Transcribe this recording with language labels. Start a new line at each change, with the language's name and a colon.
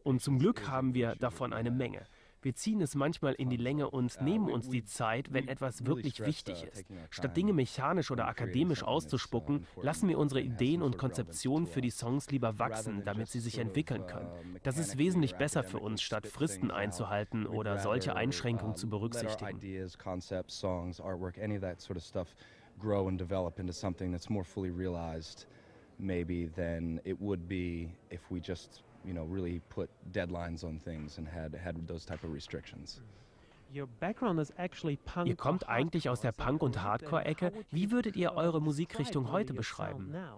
German: Und zum Glück haben wir davon eine Menge. Wir ziehen es manchmal in die Länge und nehmen uns die Zeit, wenn etwas wirklich wichtig ist. Statt Dinge mechanisch oder akademisch auszuspucken, lassen wir unsere Ideen und Konzeptionen für die Songs lieber wachsen, damit sie sich entwickeln können. Das ist wesentlich besser für uns, statt Fristen einzuhalten oder solche Einschränkungen zu berücksichtigen. Ideen, Konzepte,
English: Songs, Artwork, any of that sort of stuff grow and develop into something that's more fully realized maybe than it would be if we just really put deadlines on things and had those type of restrictions. Your background is actually punk.
German: Ihr kommt eigentlich aus der Punk- und Hardcore-Ecke. Wie würdet ihr eure Musikrichtung heute beschreiben?